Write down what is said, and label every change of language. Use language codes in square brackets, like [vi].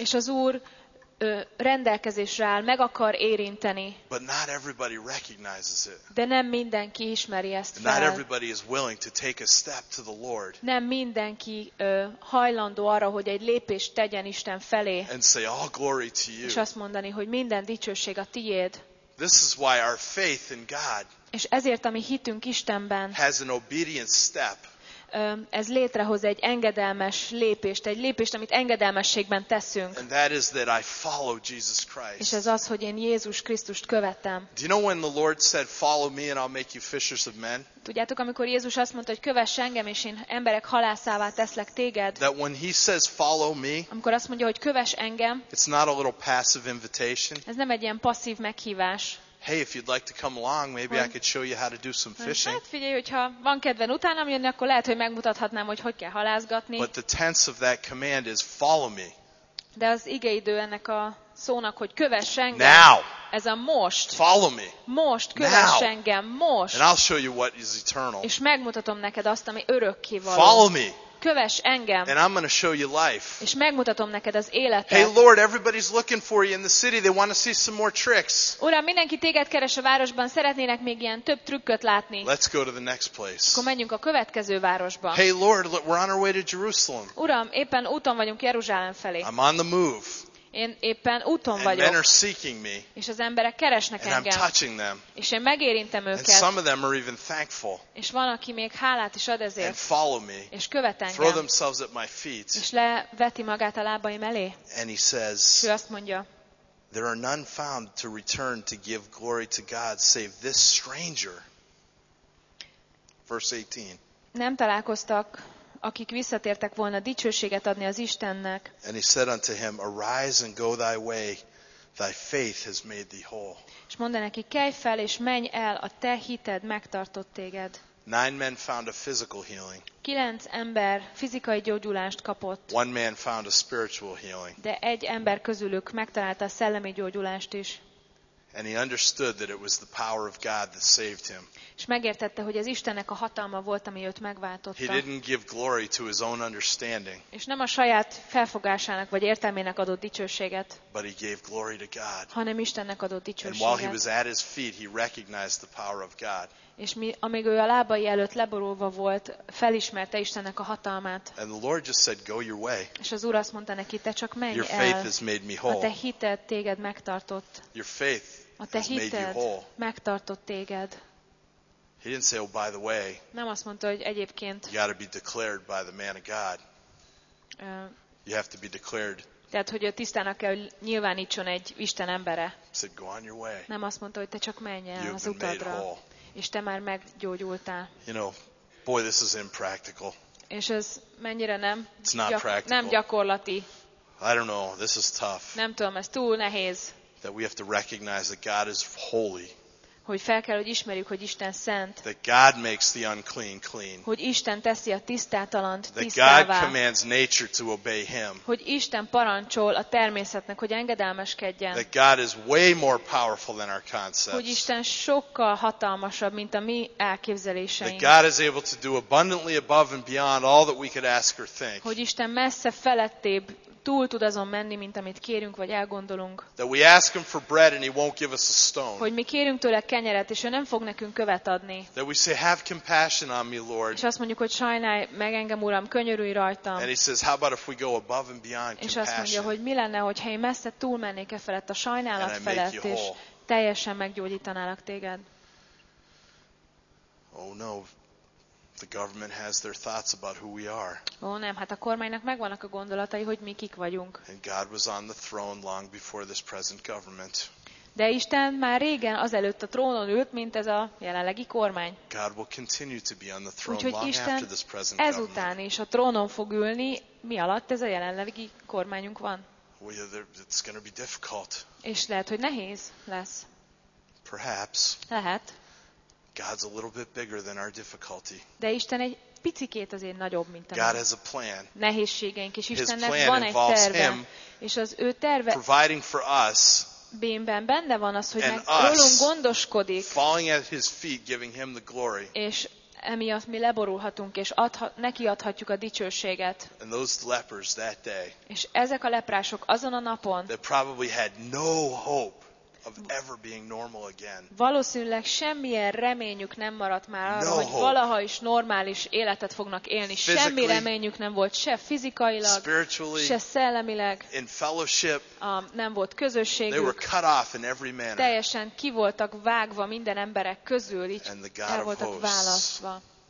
[hu] és az Úr rendelkezésre áll, meg akar érinteni. [en] But not everybody recognizes it. [hu] De nem mindenki ismeri ezt fel. [en] Not everybody is willing to take a step to the Lord. [hu] Nem mindenki hajlandó arra, hogy egy lépést tegyen Isten felé. [en] And say all glory to you. [hu] És azt mondani, hogy minden dicsőség a tiéd. [en] This is why our faith in God. [hu] És ezért ami hitünk Istenben. [en] Has an obedient step. [hu] Ez létrehoz egy engedelmes lépést, egy lépést, amit engedelmességben teszünk. [en] And that is that I follow Jesus Christ. [hu] És ez az, hogy én Jézus Krisztust követem. [en] Do you know when the Lord said, follow me and I'll make you fishers of men? [hu] Tudjátok, amikor Jézus azt mondta, hogy kövess engem, és én emberek halászává teszlek téged? [en] That when he says, follow me, [hu] amikor azt mondja, hogy kövess engem, [en] it's not a little passive invitation. [hu] Ez nem egy ilyen passzív meghívás. [en] Hey, if you'd like to come along, maybe I could show you how to do some fishing. [hu] Hát figyelj, hogyha van kedven utánam jönni, akkor lehet, hogy megmutathatnám, hogy hogyan kell halászgatni. [en] But the tense of that command is follow me. [hu] De az igeidő ennek a szónak, hogy kövess engem. [en] Now. [hu] Ez a most. [en] Follow me. [hu] Most kövess engem, most. [en] And I'll show you what is eternal. [hu] És megmutatom neked azt, ami örökkévaló. [en] Follow me. [hu] Kövess engem. [en] And I'm going to show you life. [hu] És megmutatom neked az életet. [en] Hey Lord, everybody's looking for you in the city. They want to see some more tricks. [hu] Uram, mindenki téged keres a városban, szeretnének még ilyen több trükköt látni. [en] Let's go to the next place. [hu] Akkor menjünk a következő városba. [en] Hey Lord, we're on our way to Jerusalem. [hu] Uram, éppen úton vagyunk Jeruzsálem felé. [en] I'm on the move. [hu] Én éppen úton vagyok. [en] And men are seeking me. [hu] És az emberek keresnek [en] and [hu] engem. [en] I'm touching them. [hu] És én megérintem őket. [en] And some of them are even thankful. [hu] És van, aki még hálát is ad ezért. [en] And follow me. [hu] És követ engem. [en] Throw themselves at my feet. [hu] És leveti magát a lábaim elé. [en] And he says, [hu] ő azt mondja, [en] there are none found to return to give glory to God save this stranger. Verse 18. [hu] Nem találkoztak, akik visszatértek volna dicsőséget adni az Istennek. [en] And he said unto him, arise and go thy way, thy faith has made thee whole. [hu] És mondta neki, kelj fel és menj el, a te hited megtartott téged. [en] Nine men found a physical healing. [hu] Kilenc ember fizikai gyógyulást kapott. [en] One man found a spiritual healing. [hu] De egy ember közülük megtalálta a szellemi gyógyulást is. [en] And he understood that it was the power of God that saved him. [hu] És megértette, hogy az Istennek a hatalma volt, ami őt megváltotta. [en] He didn't give glory to his own understanding. [hu] És nem a saját felfogásának vagy értelmének adott dicsőséget. [en] But he gave glory to God. [hu] Hanem Istennek adott dicsőséget. [en] And while he was at his feet, he recognized the power of God. [hu] És amíg ő a lábai előtt leborulva volt, felismerte Istennek a hatalmát. [en] And the Lord just said, go your way. [hu] És az Úr azt mondta neki, te csak menj [en] your [hu] el. [en] Faith has made me whole. [hu] A te hited téged megtartott. [en] Your faith [hu] a te hited megtartott téged. [en] He didn't say, oh, by the way, [hu] nem azt mondta, hogy egyébként [en] you gotta be declared by the man of God. You have to be declared. [hu] Tehát, hogy a tisztának kell, hogy nyilvánítson egy Isten embere. [en] He said, go on your way. [hu] Nem azt mondta, hogy te csak menj el az utadra. [en] Whole. [hu] És te már meggyógyultál. [en] You know, boy, this is impractical. [hu] És ez mennyire nem? [en] It's not practical. [hu] Nem gyakorlati. [en] I don't know. This is tough. [hu] Nem tudom, ez túl nehéz. [en] That we have to recognize that God is holy. [hu] Hogy fel kell, hogy ismerjük, hogy Isten szent. [en] That God makes the unclean clean. [hu] Hogy Isten teszi a tisztátalant tisztává. [en] That God commands nature to obey him. [hu] Hogy Isten parancsol a természetnek, hogy engedelmeskedjen. [en] That God is way more powerful than our concepts. [hu] Hogy Isten sokkal hatalmasabb, mint a mi elképzeléseink. [en] That God is able to do abundantly above and beyond all that we could ask or think. [hu] Hogy Isten messze felettébb túl tud azon menni, mint amit kérünk vagy elgondolunk. [en] That we ask him for bread and he won't give us a stone. [hu] Hogy mi kérünk tőle kenyeret, és ő nem fog nekünk követ adni. [en] That we say, have compassion on me, Lord. [hu] És azt mondjuk, hogy sajnálj meg engem, Uram, könyörülj rajtam. [en] And he says, how about if we go above and beyond compassion? [hu] És azt mondja, hogy mi lenne, hogyha én messze túlmennék e felett a sajnálat felett, és teljesen meggyógyítanálak téged. [en] Oh no. The government has their thoughts about who we are. [hu] Ó, nem, hát a kormánynak megvannak a gondolatai, hogy mi kik vagyunk. [en] And God was on the throne long before this present government. [hu] De Isten már régen azelőtt a trónon ült, mint ez a jelenlegi kormány. [en] God will continue to be on the throne long after this present government. [hu] Ezután is a trónon fog ülni, mi alatt ez a jelenlegi kormányunk van. [en] It's going to be difficult. [hu] És lehet, hogy nehéz lesz. [en] Perhaps. [hu] Lehet. [en] God's a little bit bigger than our difficulty. [hu] De Isten egy picikét azért nagyobb, mint a [en] God has a plan. [hu] Nehézségeink is Istennek [en] His plan [hu] van egy terve. [en] Him [hu] és az ő terve [en] providing for us [hu] bénben benne van az, hogy rólunk gondoskodik. [en] Falling at his feet, giving him the glory. [hu] És emiatt mi leborulhatunk, és neki adhatjuk a dicsőséget. [en] And those lepers that day, [hu] és ezek a leprások azon a napon [en] they probably had no hope of ever being normal again. [hu] Valószínűleg semmilyen reményük nem maradt már arra, [en] no [hu] hogy valaha is normális életet fognak élni. Semmi reményük nem volt, se fizikailag, se szellemileg. [en] In fellowship, [hu] nem volt közösségük. [en] They were cut off in every manner. [hu] Teljesen ki voltak vágva minden emberek közül, így el voltak választva.